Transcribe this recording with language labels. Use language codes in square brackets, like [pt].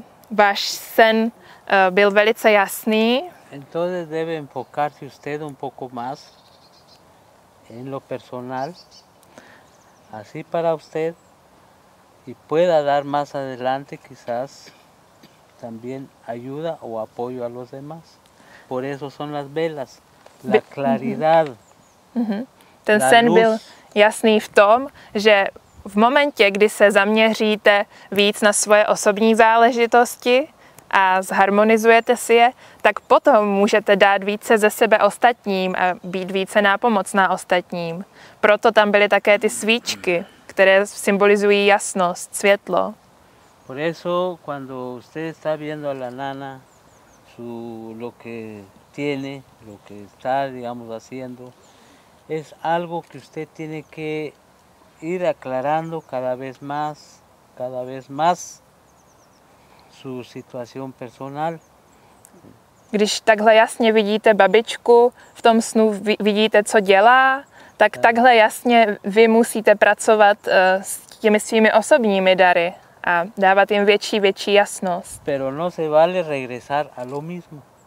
[cs] Váš sen byl velice jasný. [es] Entonces debe enfocarse usted un poco más en lo personal. Así para usted y pueda dar más adelante quizás también ayuda o apoyo a los demás. Por eso son las velas, la claridad. [cs] Ten sen byl jasný v tom, že v momentě, kdy se zaměříte víc na svoje osobní záležitosti a zharmonizujete si je, tak potom můžete dát více ze sebe ostatním a být více nápomocná ostatním. Proto tam byly také ty svíčky, které symbolizují jasnost, světlo. [es] Por eso cuando usted está viendo a la nana su lo que tiene, lo que está digamos haciendo, es algo que usted tiene que ir aclarando cada vez más su situación personal. [cs] Když takhle jasně vidíte babičku, v tom snu vidíte, co dělá, tak takhle jasně vy musíte pracovat s těmi svými osobními dary a dávat jim větší jasnost. [es] Pero no se vale regresar a lo mismo.